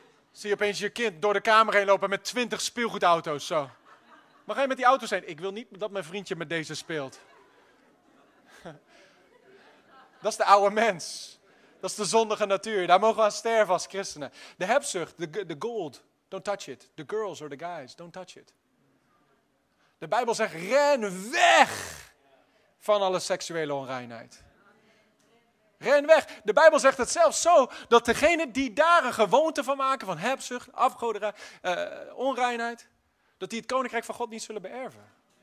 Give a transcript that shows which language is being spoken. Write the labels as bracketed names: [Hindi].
[Dutch] Zie je opeens je kind door de kamer heen lopen met 20 speelgoedauto's. Zo. Mag hij met die auto zijn? Ik wil niet dat mijn vriendje met deze speelt. Dat is de oude mens. Dat is de zondige natuur. Daar mogen we aan sterven als christenen. De hebzucht, de [English] gold, don't touch it. The girls or the guys, don't touch it. [Dutch] De Bijbel zegt, ren weg van alle seksuele onreinheid. Ren weg. De Bijbel zegt het zelfs zo, dat degene die daar een gewoonte van maken, van hebzucht, afgoderij, onreinheid, dat die het koninkrijk van God niet zullen beërven.